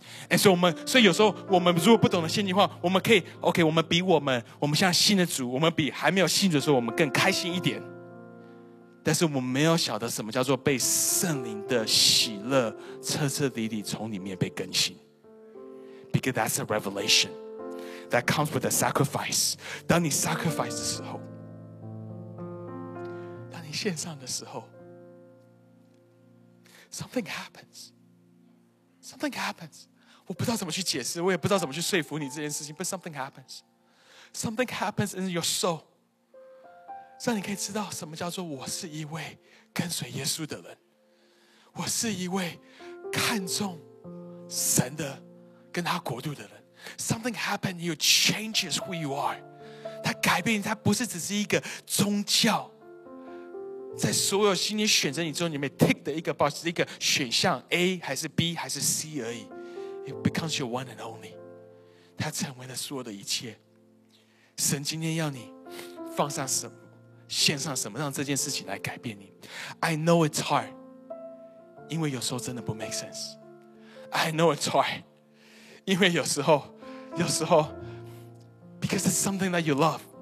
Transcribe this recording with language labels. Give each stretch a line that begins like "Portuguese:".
English: And so
Chinese: 所以有时候我们如果不懂得献祭的话，我们可以 OK， 我们比我们现在信的主，我们比还没有信主的时候我们更开心一点，但是我们没有晓得什么叫做被圣灵的喜乐彻彻底底从里面被更新。
English: Because that's a revelation that comes with a sacrifice.
Chinese: 当你 sacrifice 的时候，献上的时候，
English: something happens， something happens，
Chinese: 我不知道怎么去解释，我也不知道怎么去说服你这件事情，
English: but something happens， something happens in your soul，
Chinese: 让你可以知道什么叫做我是一位跟随耶稣的人，我是一位看重神的跟他国度的人。
English: Something happens, you changes who you are，
Chinese: 它改变，它不是只是一个宗教，在所有心里选择你之后，你们 tick 的一个 box， 一个选项 A 还是 B 还是 C 而已。
English: It becomes your one and only，
Chinese: 它成为了所有的一切。神今天要你放上什么，献上什么，让这件事情来改变你。
English: I know it's hard，
Chinese: 因为有时候真的不
English: make sense。 I know it's hard，
Chinese: 因为有时候
English: because it's something that you love。